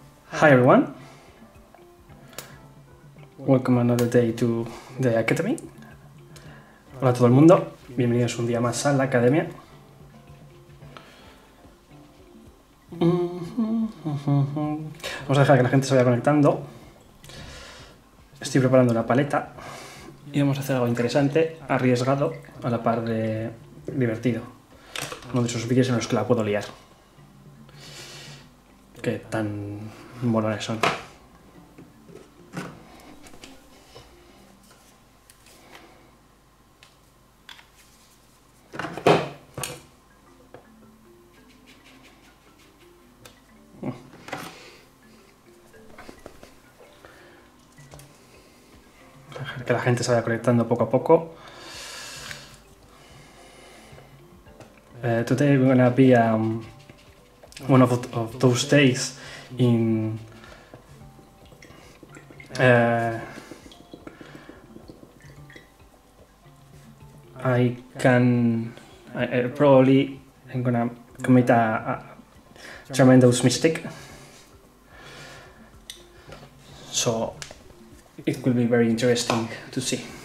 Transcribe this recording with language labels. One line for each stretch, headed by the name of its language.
English: Hi everyone, welcome another day to the Academy.
Spanish: Hola a todo el mundo, bienvenidos un día más a la Academia. Vamos a dejar que la gente se vaya conectando. Estoy preparando una paleta y vamos a hacer algo interesante, arriesgado, a la par de divertido. Uno de esos vídeos en los que la puedo liar. Qué tan molones son. Dejar que la gente se vaya conectando poco a poco.
English: Today we're gonna be one of those days in probably I'm gonna commit a tremendous mistake, so it will be very interesting to see.